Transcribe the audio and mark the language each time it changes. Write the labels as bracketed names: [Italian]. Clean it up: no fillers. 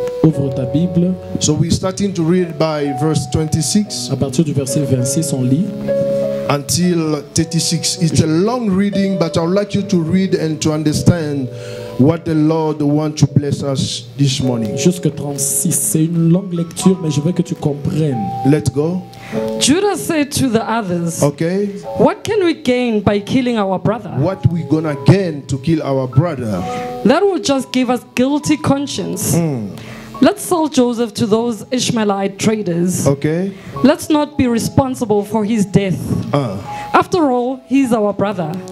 [French] Ouvre ta Bible. [English] So we're starting to read by verse 26. [French] À partir du verset 26, on lit. [English] Until 36. It's a long reading, but I would like you to read and to understand what the Lord wants to bless us this morning. [French] Jusque 36. C'est une longue lecture, mais je veux que tu comprennes. [English] Let's go. Judah said to the others, okay, what can we gain by killing our brother? What we gonna gain to kill our brother? That will just give us guilty conscience. Mm. Let's sell Joseph to those Ishmaelite traders. Okay. Let's not be responsible for his death. After all, he's our brother.